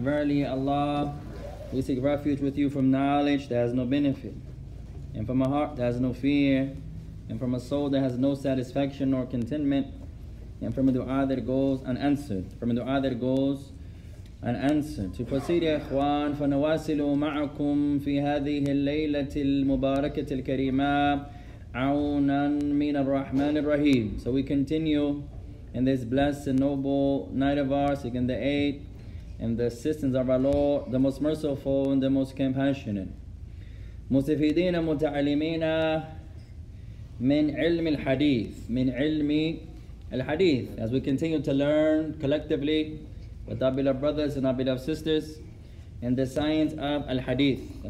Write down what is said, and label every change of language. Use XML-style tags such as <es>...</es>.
<en>Verily, Allah, we seek refuge with you from knowledge that has no benefit, and from a heart that has no fear, and from a soul that has no satisfaction nor contentment, and from a dua that goes unanswered, To proceed, ya ikhwan,</en> <ar>فَنَوَاسِلُوا مَعَكُمْ فِي هَذِهِ اللَّيْلَةِ الْمُبَارَكَةِ الْكَرِيمَةِ عَوْنًا مِنَ الرَّحْمَنِ الرَّحِيمِ.</ar> <en>So we continue in this blessed and noble night of ours, seeking the aid and the assistance of our Lord, the most merciful and the most compassionate.</en> <ar>مستفيدين متعلمين من علم الحديث. من علم الحديث.</ar> <en>As we continue to learn collectively with our beloved brothers and our beloved sisters in the science of al-hadith.</en>